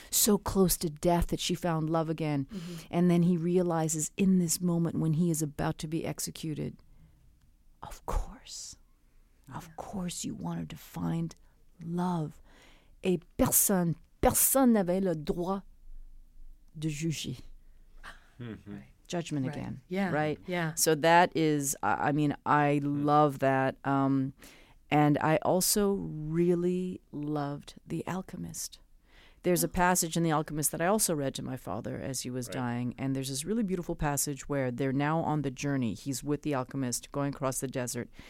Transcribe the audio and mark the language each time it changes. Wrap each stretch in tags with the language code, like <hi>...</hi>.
<en>So close to death that she found love again. Mm-hmm. And then he realizes in this moment when he is about to be executed, of course, yeah, of course you wanted to find love.</en> <fr>Et personne n'avait le droit de juger. Mm-hmm.</fr> <en>Right. Judgment, right, again. Yeah. Right? Yeah. So that is, I mean, I love that. And I also really loved The Alchemist. There's a passage in The Alchemist that I also read to my father as he was, right, dying. And there's this really beautiful passage where they're now on the journey. He's with the alchemist going across the desert.</en>